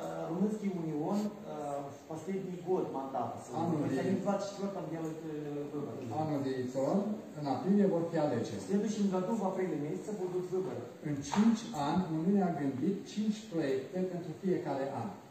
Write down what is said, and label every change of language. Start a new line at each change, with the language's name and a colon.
Russian: Румынский унион в последний год мандата. Они в 24-м делают выборы.
Romanian: Anul viitor, în aprilie, vor fi alegeri.
Russian: В следующем году, в апреле месяце, будут выборы.
Romanian: În 5 ani, Uniunea a gândit 5 proiecte pentru fiecare an.